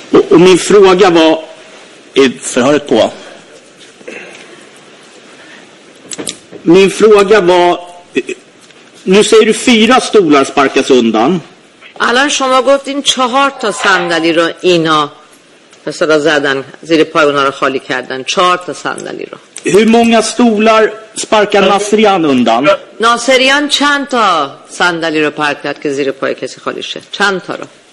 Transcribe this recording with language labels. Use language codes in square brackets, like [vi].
[sv] Och min fråga var i förhöret på. Min fråga var, nu säger du fyra stolar sparkas undan. [fa] الان شما گفتین چهار تا صندلی رو اینا مثلا زدن زیر پای اونا رو خالی کردن چهار تا صندلی رو [sv] Hur många stolar sparkar Nasrian undan? [fa] Nasrian چند تا صندلی رو پارک کرد که زیر پای کسی خالی شه چند تا رو